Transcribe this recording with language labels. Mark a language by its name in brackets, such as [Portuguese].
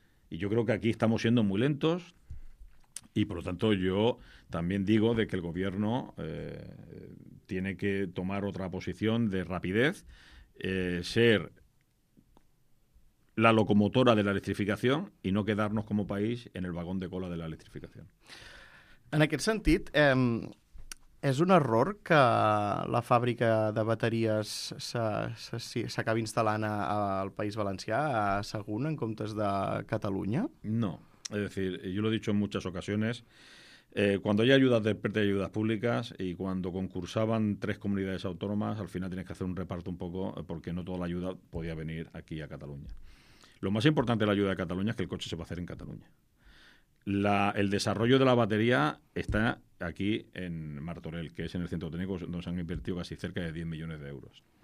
[Spanish] Y yo creo que aquí estamos siendo muy lentos y por lo tanto yo también digo de que el gobierno tiene que tomar otra posición de rapidez, ser la locomotora de la electrificación y no quedarnos como país en el vagón de cola de la electrificación. [Catalan] En aquest sentit, és un error que la fàbrica de bateries s'acabi instal·lant al País Valencià, a Sagunt, en comptes de Catalunya? [Spanish] No, es decir, yo lo he dicho en muchas ocasiones, cuando hay ayudas de ayudas públicas y cuando concursaban 3 comunidades autónomas, al final tienes que hacer un reparto un poco porque no toda la ayuda podía venir aquí a Cataluña. Lo más importante de la ayuda de Cataluña es que el coche se va a hacer en Cataluña. El desarrollo de la batería está aquí en Martorell, que es en el centro técnico donde se han invertido casi cerca de 10 millones de euros.